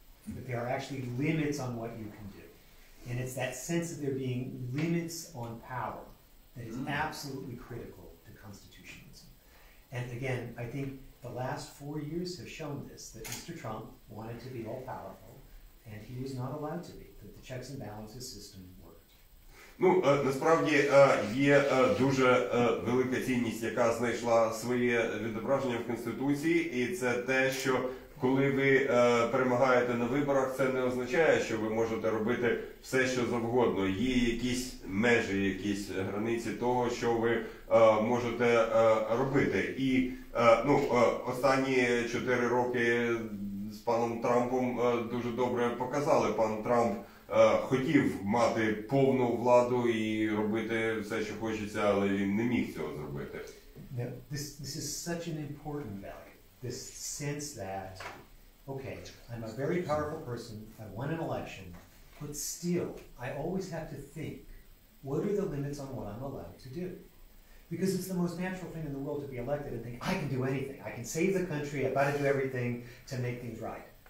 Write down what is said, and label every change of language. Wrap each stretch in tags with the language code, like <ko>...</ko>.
<en>But there are actually limits on what you can do. And it's that sense of there being limits on power that is absolutely critical to constitutionalism. And again, I think the last 4 years have shown this, that Mr. Trump wanted to be all powerful, and he was not allowed to be, that the checks and balances system worked.</en> <uk>Ну, насправді є дуже велика цінність, яка знайшла своє відображення в Конституції, і це те, що коли ви перемагаєте на виборах, це не означає, що ви можете робити все, що завгодно. Є якісь межі, якісь границі того, що ви можете робити. І ну, останні 4 роки з паном Трампом дуже добре показали. Пан Трамп хотів мати повну владу і робити все, що хочеться, але він не міг цього зробити.</uk> <en>This is such an important value. This sense that, okay, I'm a very powerful person, I won an election, but still, I always have to think, what are the limits on what I'm allowed to do? Because it's the most natural thing in the world to be elected and think, I can do anything, I can save the country, I've got to do everything to make things right.</en>